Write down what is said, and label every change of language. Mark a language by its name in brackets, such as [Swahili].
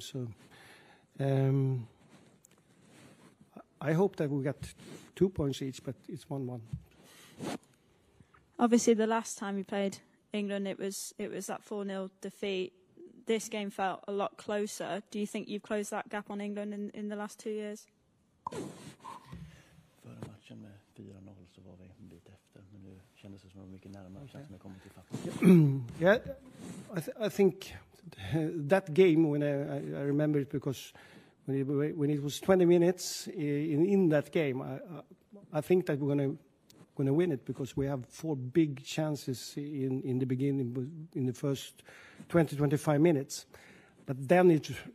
[English] So I hope that we get 2 points each, but it's 1-1. Obviously, the last time you played England, it was that 4-0 defeat. This game felt a lot closer. Do you think you've closed that gap on England in the last 2 years? [Swedish] Med 4-0 så var vi en bit efter, men nu kändes det som att vi mycket närmare. [English] Okay. [Swedish] Känns som att kommit till fatt. [English] I think that game when I remember it, because when it was 20 minutes in that game, I think that we're gonna win it, because we have 4 big chances in the beginning, in the first 20-25 minutes, but then it